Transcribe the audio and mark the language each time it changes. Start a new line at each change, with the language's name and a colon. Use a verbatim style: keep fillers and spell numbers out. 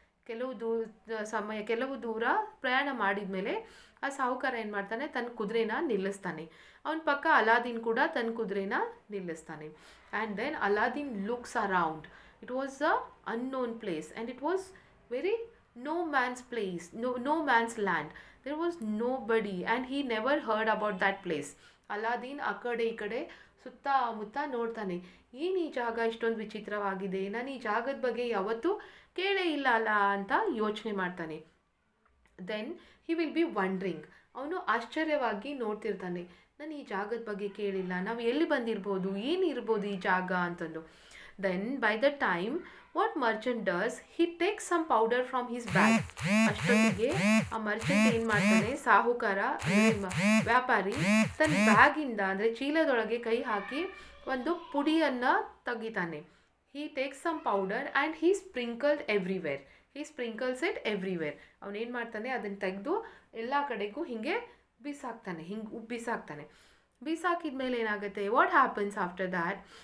Kannada: ಕೆಲವು ದೂರ ಸಮಯ ಕೆಲವು ದೂರ ಪ್ರಯಾಣ ಮಾಡಿದ ಮೇಲೆ ಆ ಸಾಹುಕಾರ ಏನು ಮಾಡ್ತಾನೆ, ತನ್ನ ಕುದುರೆನ ನಿಲ್ಲಿಸ್ತಾನೆ. ಅವನ ಪಕ್ಕ ಅಲಾದೀನ್ ಕೂಡ ತನ್ನ ಕುದುರೆನ ನಿಲ್ಲಿಸ್ತಾನೆ.
English: And then Aladdin looks around. It was a unknown place and it was very no man's place, no no man's land. There was nobody and he never heard about that place.
Kannada: ಅಲಾದೀನ್ ಆ ಕಡೆ ಈ ಕಡೆ ಸುತ್ತ ಮುತ್ತ ನೋಡ್ತಾನೆ. ಏನು ಈ ಜಾಗ ಇಷ್ಟೊಂದು ವಿಚಿತ್ರವಾಗಿದೆ, ನಾನು ಈ ಜಾಗದ ಬಗ್ಗೆ ಯಾವತ್ತೂ ಕೇಳೇ ಇಲ್ಲ ಅಲ್ಲ ಅಂತ ಯೋಚನೆ ಮಾಡ್ತಾನೆ.
English: Then he will be wondering.
Kannada: ಅವನು ಆಶ್ಚರ್ಯವಾಗಿ ನೋಡ್ತಿರ್ತಾನೆ, ನಾನು ಈ ಜಾಗದ ಬಗ್ಗೆ ಕೇಳಿಲ್ಲ, ನಾವು ಎಲ್ಲಿ ಬಂದಿರ್ಬೋದು, ಏನಿರ್ಬೋದು ಈ ಜಾಗ ಅಂತಂದು.
English: Then by the time what merchant does, he takes some powder from his bag.
Kannada: ಅಷ್ಟೊತ್ತಿಗೆ ಆ ಮರ್ಚೆಂಟ್ ಏನು ಮಾಡ್ತಾನೆ, ಸಾಹುಕಾರ ವ್ಯಾಪಾರಿ ತನ್ನ ಬ್ಯಾಗಿಂದ, ಅಂದರೆ ಚೀಲದೊಳಗೆ ಕೈ ಹಾಕಿ ಒಂದು ಪುಡಿಯನ್ನು ತೆಗಿತಾನೆ.
English: he takes some powder and he sprinkled everywhere. he sprinkles it everywhere.
Kannada: ಅವನೇನು ಮಾಡ್ತಾನೆ, ಅದನ್ನು ತೆಗೆದು ಎಲ್ಲ ಕಡೆಗೂ ಹೀಗೆ ಬಿಸಾಕ್ತಾನೆ, ಹಿಂಗೆ ಉಬ್ಬಿಸಾಕ್ತಾನೆ. ಬಿಸಾಕಿದ ಮೇಲೆ ಏನಾಗುತ್ತೆ,
English: what happens after that?